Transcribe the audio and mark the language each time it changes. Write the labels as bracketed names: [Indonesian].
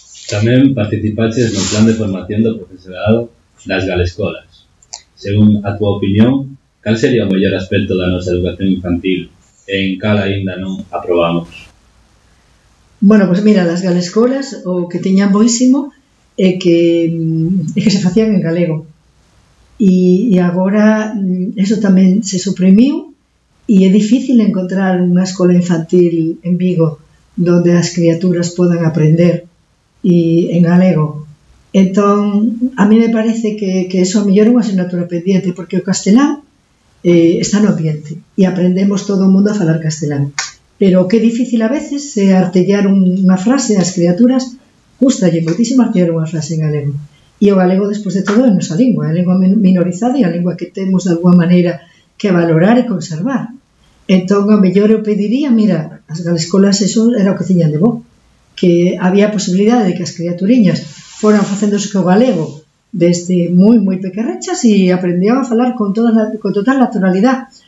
[Spanish] También participaste en el plan de formación del profesorado de las Galescolas. Según a tu opinión, ¿cuál sería el mayor aspecto de nuestra educación infantil [Galician] en cal ainda no aprobamos? Bueno, pues mira, las galescolas, o que tenían boísimo, que se facían en galego. Y agora eso tamén se suprimiu e é difícil encontrar unha escola infantil en Vigo donde as criaturas podan aprender y en galego. Entón, a mí me parece que eso a mellor é unha asignatura pendiente, porque o castelán está no ambiente e aprendemos todo o mundo a falar castelán. [Spanish] Pero qué difícil a veces artellar una frase a las criaturas. Gusta y muchísimo artellar una frase en galego. Y el galego, después de todo, es nuestra lengua, la lengua minorizada y la lengua que tenemos de alguna manera que valorar y conservar. Entonces, a lo mejor yo pediría, mira, las galescolas, eso era lo que tenían de vos, que había posibilidad de que las criaturiñas fueran haciéndose con galego desde muy, muy pequerrechas y aprendían a hablar con total naturalidad.